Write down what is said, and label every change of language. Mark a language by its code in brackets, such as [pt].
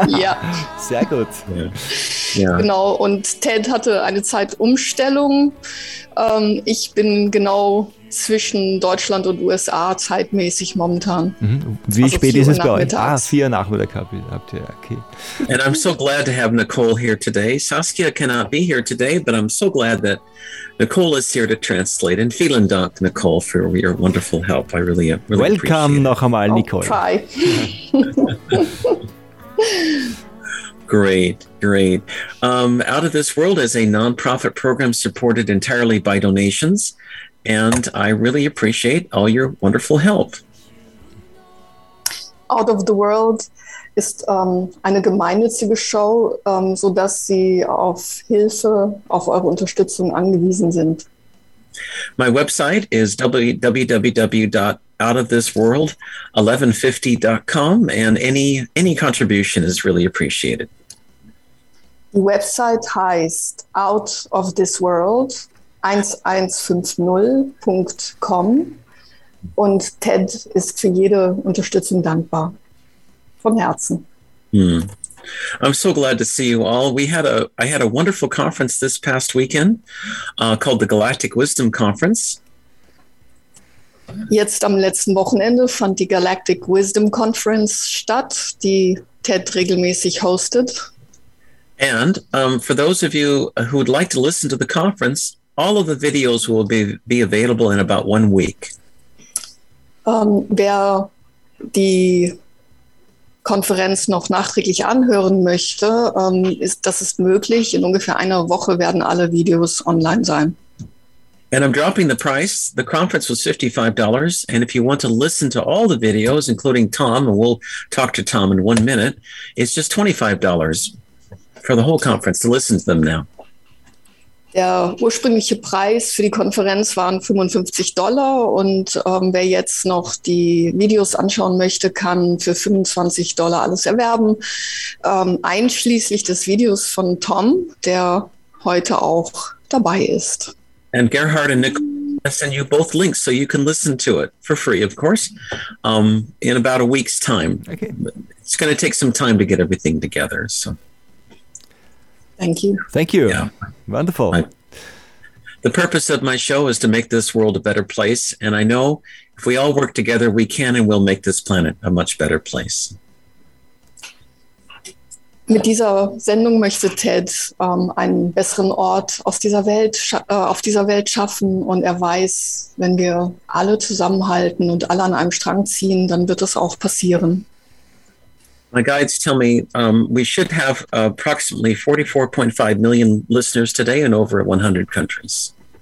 [de] Ja. Sehr gut. Ja. Genau, und Ted hatte eine Zeitumstellung. Ich bin genau zwischen Deutschland und USA zeitmäßig momentan. Wie also spät ist es bei euch? Ah, 4 Nachmittag habt ihr, okay. [en] And I'm so glad to have Nicole here today. Saskia cannot be here today, but I'm so glad that Nicole is here to translate. And [de] vielen Dank, [en] Nicole, for your wonderful help. I really, really appreciate it. Welcome [de] noch einmal, Nicole. [en] I'll try. Great. Out of This World is a non-profit program supported entirely by donations. And I really appreciate all your wonderful help. [de] Out of the World ist eine gemeinnützige Show, sodass sie auf Hilfe, auf eure Unterstützung angewiesen sind. [en] My website is www.outofthisworld1150.com and any contribution is really appreciated. [de] Die Website heißt Out of This World 1150.com und Ted ist für jede Unterstützung dankbar. Vom Herzen. [en] I'm so glad to see you all. I had a wonderful conference this past weekend called the Galactic Wisdom Conference. [de] Jetzt am letzten Wochenende fand die Galactic Wisdom Conference statt, die Ted regelmäßig hostet. [en] And for those of you who would like to listen to the conference, all of the videos will be available in about 1 week. [de] Wer die Konferenz noch nachträglich anhören möchte, das ist möglich. In ungefähr einer Woche werden alle Videos online sein. [en] And I'm dropping the price. The conference was $55. And if you want to listen to all the videos, including Tom, and we'll talk to Tom in 1 minute, it's just $25 for the whole conference to listen to them now. [de] Der ursprüngliche Preis für die Konferenz waren $55 und wer jetzt noch die Videos anschauen möchte, kann für $25 alles erwerben, einschließlich des Videos von Tom, der heute auch dabei ist. [en] And Gerhard and Nick. I send you both links so you can listen to it for free, of course, in about a week's time. Okay. It's going to take some time to get everything together. So. Thank you. Thank you. Yeah. Wonderful. The purpose of my show is to make this world a better place. And I know if we all work together, we can and will make this planet a much better place. [de] Mit dieser Sendung möchte Ted einen besseren Ort auf dieser Welt schaffen. Und er weiß, wenn wir alle zusammenhalten und alle an einem Strang ziehen, dann wird das auch passieren. [en] My guides tell me we should have approximately 44.5 million listeners today in over 100 countries.